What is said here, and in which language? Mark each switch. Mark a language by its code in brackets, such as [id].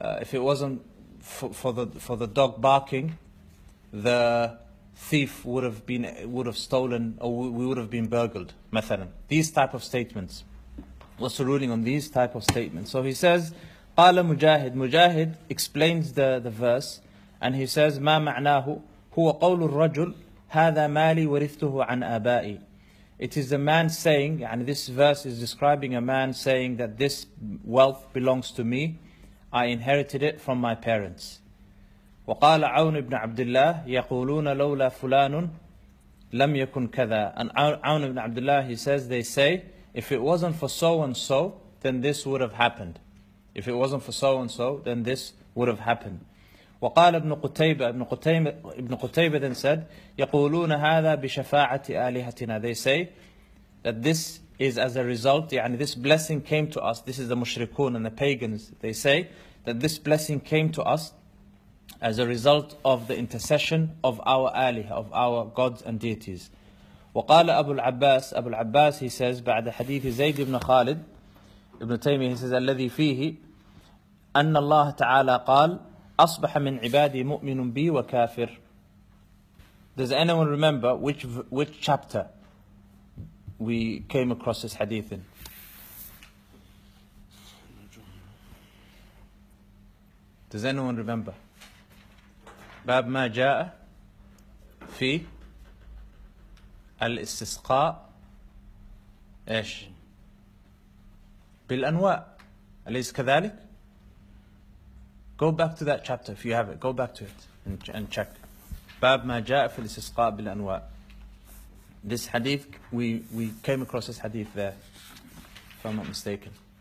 [en] If it wasn't for the dog barking, the thief would have stolen, or we would have been burgled. [ar] مثلا. [en] These type of statements. What's the ruling on these type of statements? So he says, [ar] قال مجاهد. مجاهد [en] explains the verse, and he says, [ar] ما معناه هو قول الرجل هذا مالي ورثته عن آبائي. [en] It is a man saying, and this verse is describing a man saying that this wealth belongs to me. I inherited it from my parents. [ar] وقال عون بن عبد الله يقولون لولا فلان لم يكن كذا. [en] And Awn ibn Abdullah, he says, they say, if it wasn't for so and so, then this would have happened. If it wasn't for so and so, then this would have happened. [ar] وقال ابن قتيبة, ابن قتيبة [en] then said, [ar] يقولون هذا بشفاعة آلهتنا. [en] They say that this is as a result, يعني this blessing came to us. This is the mushrikun and the pagans. They say that this blessing came to us as a result of the intercession of our alihah, of our gods and deities. [ar] وقال أبو العباس, أبو العباس, [en] he says, [ar] بعد حديث زيد بن خالد ابن تيمية, he says, الذي فيه أن الله تعالى قال أصبح من عبادي مؤمن بي وكافر. [en] Does anyone remember which chapter we came across this hadith in? Does anyone remember? [ar] باب ما جاء في الاستسقاء إيش بالأنواع أليس كذلك؟ [en] Go back to that chapter if you have it. Go back to it and check. [ar] باب ما جاء في الاستسقاء بالأنواع. [en] This hadith, we came across this hadith there, if I'm not mistaken.